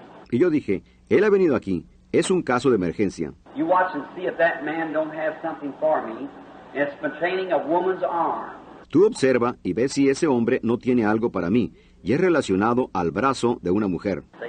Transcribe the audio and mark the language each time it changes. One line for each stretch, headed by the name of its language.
Spanish: Y yo dije, él ha venido aquí, es un caso de emergencia.
English: You watch and see if that man don't have something for me. It's been training a woman's arm.
Spanish: Tú observa y ve si ese hombre no tiene algo para mí, y es relacionado al brazo de una mujer.